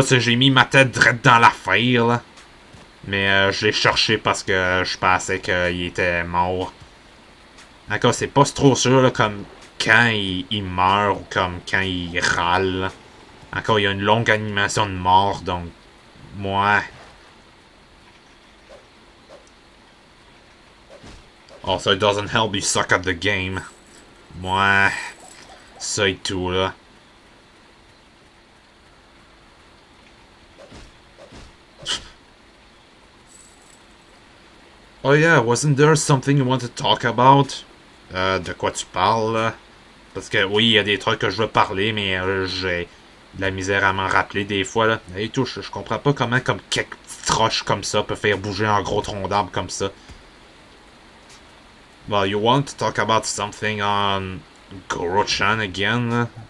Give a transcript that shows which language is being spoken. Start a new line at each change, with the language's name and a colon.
French: J'ai mis ma tête droite dans la faille, là. Mais je l'ai cherché parce que je pensais qu'il était mort. D'accord, c'est pas trop sûr, là, comme quand il meurt ou comme quand il râle, là. Encore, il y a une longue animation de mort, donc moi.
English: Also, it doesn't help you suck at the game.
French: Moi, ça et tout là.
English: Oh yeah, wasn't there something you want to talk about?
French: De quoi tu parles là? Parce que oui, il y a des trucs que je veux parler, mais j'ai de la misère à m'en rappeler des fois là. Et tout, je comprends pas comment comme quelques petites roches comme ça peut faire bouger un gros tronc d'arbre comme ça.
English: Well, you want to talk about something on Goro-chan again?